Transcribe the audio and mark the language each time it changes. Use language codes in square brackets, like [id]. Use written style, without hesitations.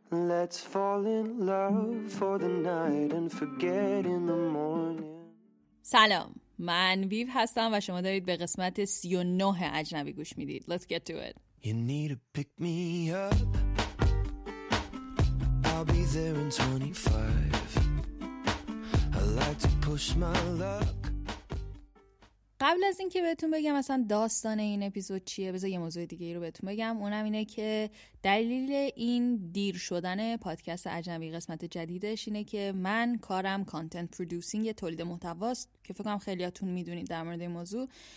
[en] Let's fall in love for the night and forget in the morning. [fa] سلام، من ویو هستم و شما دارید به قسمت 39 اجنبی گوش میدید. [en] Let's get to it. You need to pick me up. I'll be there in 25. I like to push my luck. [fa] قبل از اینکه بهتون بگم اصلا داستان این اپیزود چیه، بذار یه موضوع دیگه رو بهتون بگم. اونم اینه که دلیل این دیر شدن پادکست عجمی قسمت جدیدش اینه که من کارم کانتنت پرودوسینگ، تولید محتوا است که فکر کنم خیلیاتون میدونید در مورد این موضوع.